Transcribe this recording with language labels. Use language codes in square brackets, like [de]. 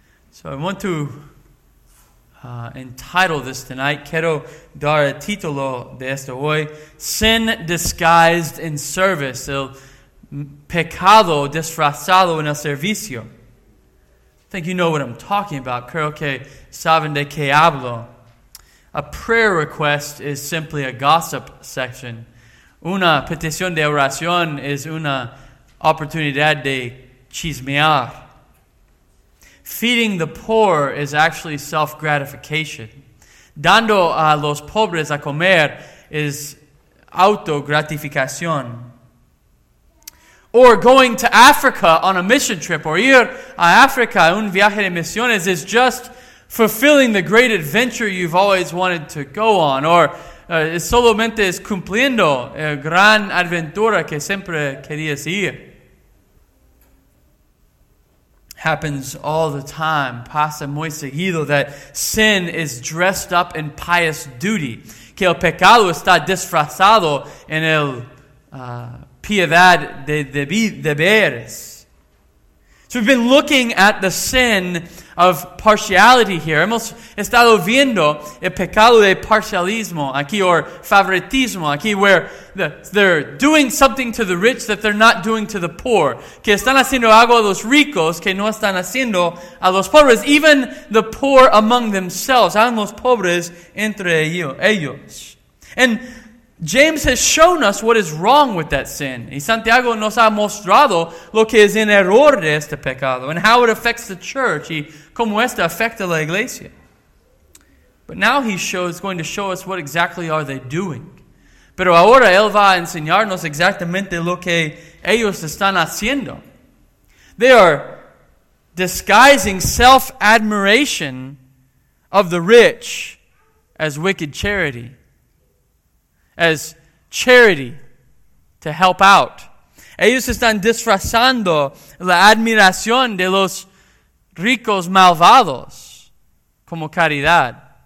[en] So I want to entitle this tonight, [es] quiero dar el título de esto hoy, [en] Sin Disguised in Service, [es] el pecado disfrazado en el servicio. [en] I think you know what I'm talking about. [es] Creo que saben de qué hablo. [en] A prayer request is simply a gossip section. [es] Una petición de oración es una oportunidad de chismear. [en] Feeding the poor is actually self-gratification. [es] Dando a los pobres a comer is autogratificación. [en] Or going to Africa on a mission trip, or [es] ir a Africa, un viaje de misiones, [en] is just fulfilling the great adventure you've always wanted to go on. [es] Or solamente es cumpliendo la gran aventura que siempre querías ir. [en] Happens all the time, [es] pasa muy seguido, [en] that sin is dressed up in pious duty. [es] Que el pecado está disfrazado en el piedad de deberes. [en] So we've been looking at the sin of partiality here. [es] Hemos estado viendo el pecado de parcialismo aquí, or favoritismo aquí, where they're doing something to the rich that they're not doing to the poor. Que están haciendo algo a los ricos que no están haciendo a los pobres. [en] Even the poor among themselves. [es] Aún los pobres entre ellos. [en] And James has shown us what is wrong with that sin. [es] Y Santiago nos ha mostrado lo que es en error de este pecado [en] and how it affects the church [es] y cómo esto afecta la iglesia. [en] But now he's going to show us what exactly are they doing. [es] Pero ahora él va a enseñarnos exactamente lo que ellos están haciendo. [en] They are disguising self-admiration of the rich as wicked charity. As charity to help out. [es] Ellos están disfrazando la admiración de los ricos malvados como caridad.